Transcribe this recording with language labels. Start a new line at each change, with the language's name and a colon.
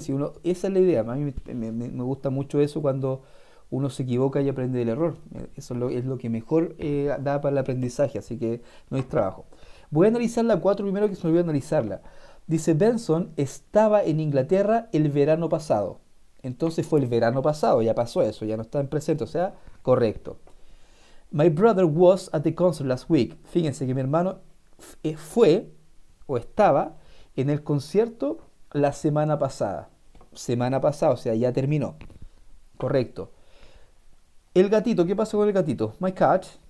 Spanish: Si uno, esa es la idea. A mí me gusta mucho eso cuando uno se equivoca y aprende del error. Eso es lo que mejor da para el aprendizaje. Así que no es trabajo. Voy a analizar la 4 primero que se me olvidó analizarla. Dice Benson estaba en Inglaterra el verano pasado. Entonces fue el verano pasado. Ya pasó eso. Ya no está en presente. O sea, correcto.
English: My brother was at the concert last week.
Spanish: Fíjense que mi hermano fue o estaba en el concierto la semana pasada. Semana pasada, o sea, ya terminó. Correcto. El gatito, ¿qué pasó con el gatito? My cat.